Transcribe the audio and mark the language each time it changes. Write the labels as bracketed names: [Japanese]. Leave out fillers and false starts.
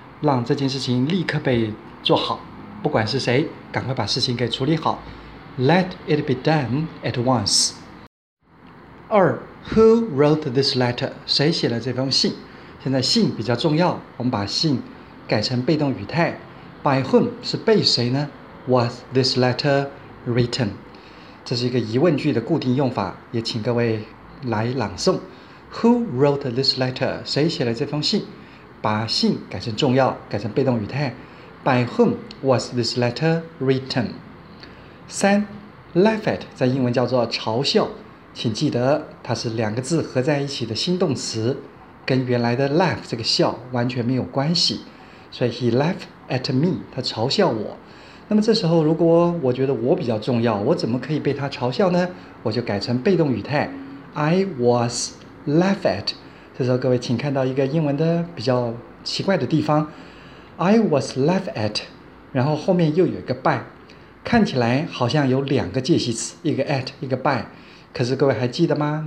[Chinese] 让这件事情立刻被做好，不管是谁，赶快把事情给处理好。 [English] Let it be done at once. 二 ，Who wrote this letter? [Chinese] 谁写了这封信？现在信比较重要，我们把信改成被动语态。 [English] By whom [Chinese] 是被谁呢 [English] ？Was this letter written? [Chinese] 这是一个疑问句的固定用法，也请各位来朗诵。 [English] Who wrote this letter? [Chinese] 谁写了这封信？把信改成重要，改成被动语态。 [English] By whom was this letter written? [Chinese] 三 ， [English] laugh at [Chinese] 在英文叫做嘲笑，请记得它是两个字合在一起的新动词，跟原来的 laugh 这个笑完全没有关系。所以 [English] he laughed at me， [Chinese] 他嘲笑我。那么这时候如果我觉得我比较重要，我怎么可以被他嘲笑呢？我就改成被动语态 ， [English] I was laughed at。 [Chinese] 这时候各位请看到一个英文的比较奇怪的地方 [English] I was laughed at， [Chinese] 然后后面又有一个 by， 看起来好像有两个介系词，一个 at 一个 by， 可是各位还记得吗？